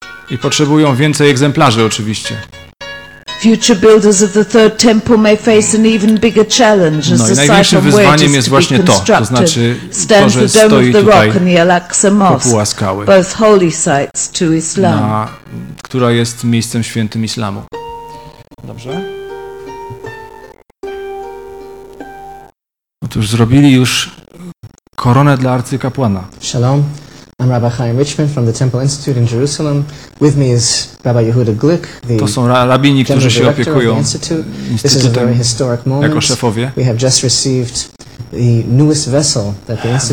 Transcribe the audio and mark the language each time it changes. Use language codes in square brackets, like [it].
[pl] I potrzebują więcej egzemplarzy oczywiście. [en] Future builders of the third temple may face an even bigger challenge as the site of worship is to be constructed. [pl] To znaczy, [en] stands the dome of the rock and the Al-Aqsa Mosque, both holy sites to Islam. [pl] Która jest miejscem świętym islamu. Dobrze. Otóż zrobili już koronę dla arcykapłana. [he] Shalom. [en] I'm Rabbi Chaim Richman from the Temple Institute in Jerusalem. With me is Rabbi Yehuda Glick, the [pl] to są rabini, którzy się opiekują instytutem jako szefowie. [en] We have just received the newest vessel that the institute